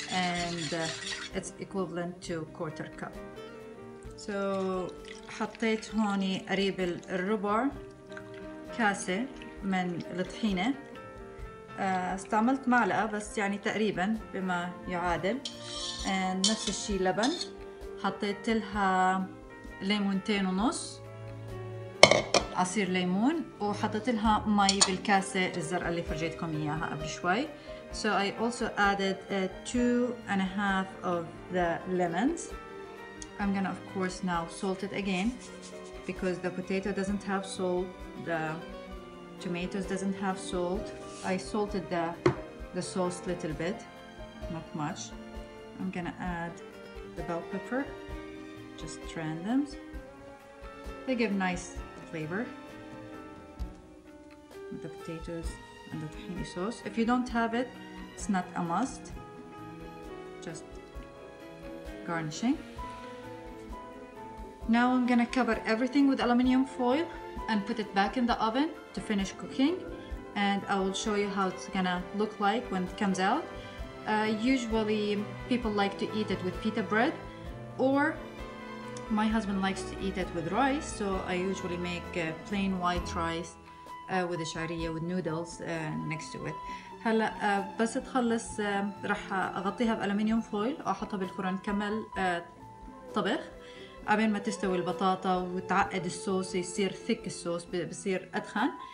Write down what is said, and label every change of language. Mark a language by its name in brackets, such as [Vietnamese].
[English] And it's equivalent to 1/4 cup. [Arabic] So حطيت هوني قريب الربع كاسة من الطحينة. استعملت معلقة بس يعني تقريبا بما يعادل. نفس الشيء لبن. حطيت لها ليمونتين ونص عصير ليمون وحطيت لها مي بالكاسة الزرقاء اللي فرجيتكم إياها قبل شوي. [English] So I also added 2.5 of the lemons. I'm gonna of course now salt it again because the potato doesn't have salt. The tomatoes doesn't have salt. I salted the sauce a little bit, not much. I'm gonna add the bell pepper, just random. They give nice flavor with the potatoes and the tahini sauce. If you don't have it, it's not a must. Just garnishing. Now I'm gonna cover everything with aluminium foil and put it back in the oven to finish cooking, and I will show you how it's gonna look like when it comes out. Usually people like to eat it with pita bread, or my husband likes to eat it with rice, so I usually make plain white rice with the sharia with noodles next to it. [Arabic] هلا بس تخلص رح اغطيها بالومنيوم فويل واحطها بالفرن كمل طبخ قبل ما تستوي البطاطا وتعقد الصوص يصير ثيك الصوص بصير أدخن.